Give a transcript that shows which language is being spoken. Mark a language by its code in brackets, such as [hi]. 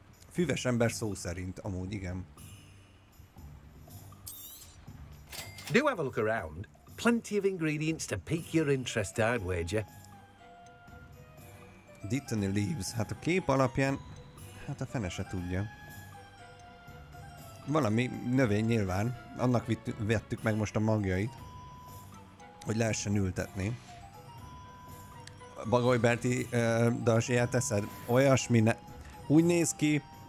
[hu] Füves ember szó szerint, amúgy igen. [en] Do have a look around. Plenty of ingredients to pique your interest, I'd wager. Dittany leaves. [hu] Hát a kép alapján, hát a fene se tudja. Valami növény nyilván. Annak vettük meg most a magjait, hogy lehessen ültetni. Bagoly Berti dalsiját teszed? Olyasmi ne... Úgy néz ki,